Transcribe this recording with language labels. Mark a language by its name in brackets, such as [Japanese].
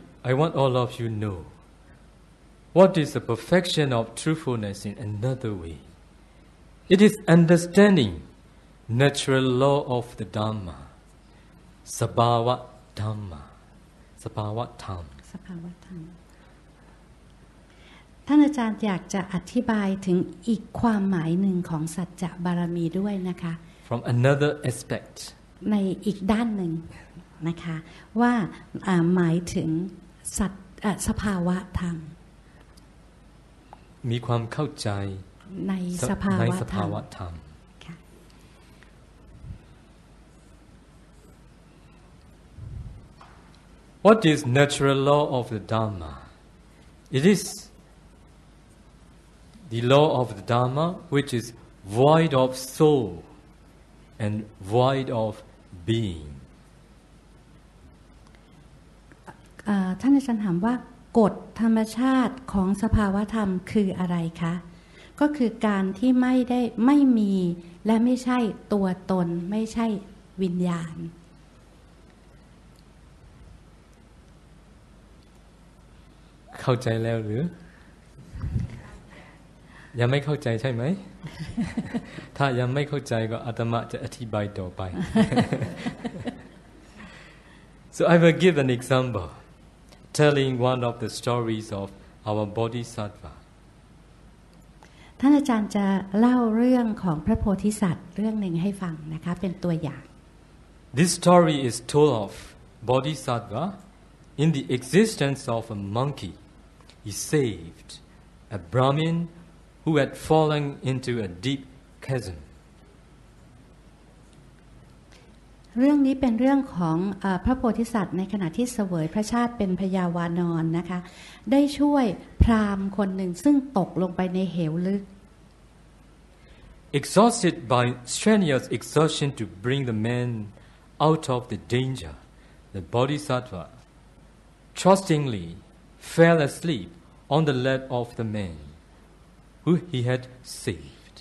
[English] I want all of you know what is the perfection of truthfulness in another way it is understanding natural law of the dhamma sabhava dhamma sabhava dhamma [Thai] สภาวะธรรมท่านอาจารย์อยากจะอธิบายถึงอีกความหมายหนึ่งของสัจจะบารมีด้วยนะคะ [English] From another aspect [Thai] ในอีกด้านหนึ่งนะคะว่าหมายถึงสภาวะธรรม มีความเข้าใจ ในสภาวะ [English] สภาวะธรรมWhat is natural law of the Dhamma? It is the law of the Dhamma which is void of soul and void of being. [Thai] ท่านอาจารย์ถามว่ากฎธรรมชาติของสภาวะธรรมคืออะไรคะก็คือการที่ไม่มีและไม่ใช่ตัวตนไม่ใช่วิญญาณ เข้าใจแล้วหรือยังไม่เข้าใจใช่ไหมถ้ายังไม่เข้าใจก็อาตมาจะอธิบายต่อไป [English] So I will give an example telling one of the stories of our Bodhisattva [Thai] ท่านอาจารย์จะเล่าเรื่องของพระโพธิสัตว์เรื่องหนึ่งให้ฟังนะคะเป็นตัวอย่าง [English] This story is told of Bodhisattva in the existence of a monkeyHe saved a Brahmin who had fallen into a deep chasm. [Thai] เรื่องนี้เป็นเรื่องของพระโพธิสัตว์ในขณะที่เสวยพระชาติเป็นพยาวานรนะคะได้ช่วยพราหมณ์คนหนึ่งซึ่งตกลงไปในเหวลึก [English] exhausted by strenuous exertion to bring the man out of the danger, the bodhisattva trustingly fell asleep on the lap of the man who he had saved.